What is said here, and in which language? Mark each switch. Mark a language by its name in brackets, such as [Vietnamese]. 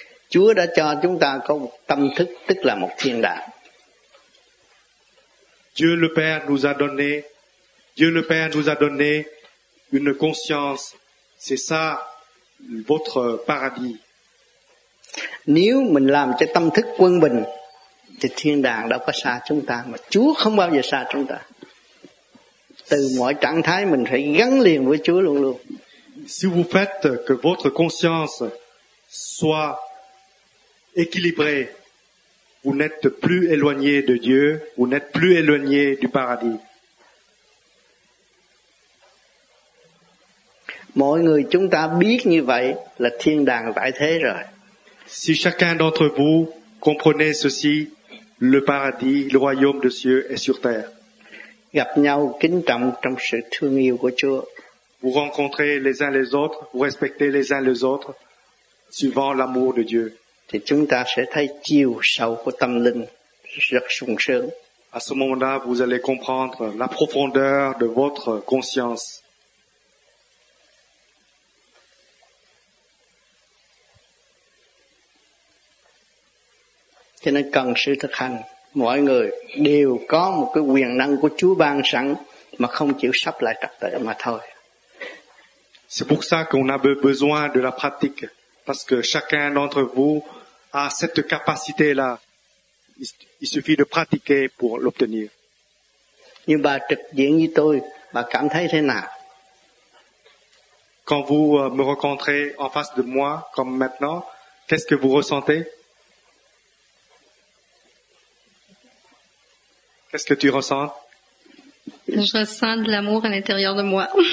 [Vietnamese] Chúa đã cho chúng ta có một tâm thức, tức là một thiên đàng. [French] Dieu le Père nous a donné, Dieu le Père nous a donné une conscience. C'est ça votre paradis. [Vietnamese] Nếu mình làm cho tâm thức quân bình thì thiên đàng đâu có xa chúng ta, mà Chúa không bao giờ xa chúng ta. Từ mọi trạng thái mình phải gắn liền với Chúa luôn luôn. [French] Si vous faites que votre conscience soit équilibrée, vous n'êtes plus éloigné de Dieu, vous n'êtes plus éloigné du paradis. [Vietnamese] Mọi người chúng ta biết như vậy là thiên đàng tại thế rồi. [French] Si chacun d'entre vous comprenait ceci, le paradis, le royaume de Dieu est sur terre. [Vietnamese] Gặp nhau kính trọng trong sự thương yêu của Chúa. [French] Vous rencontrez les uns les autres, vous respectez les uns les autres, suivant l'amour de Dieu. [Vietnamese] Thì chúng ta sẽ thấy chiều sâu của tâm linh rất sung sướng. [French] À ce moment-là, vous allez comprendre la profondeur de votre conscience. [Vietnamese] Cho nên cần sự thực hành. Mọi người đều có một cái quyền năng của Chúa ban sẵn mà không chịu sắp lại trật tự mà thôi. [French] C'est pour ça qu'on a besoin de la pratique. parce que chacun d'entre vous a cette capacité-là. Il suffit de pratiquer pour l'obtenir. [Vietnamese] Nhưng bà trực diện với tôi, bà cảm thấy thế nào? [French] Quand vous me rencontrez en face de moi, comme maintenant, qu'est-ce que vous ressentez? Qu'est-ce que tu ressens? Je ressens de l'amour à l'intérieur de moi.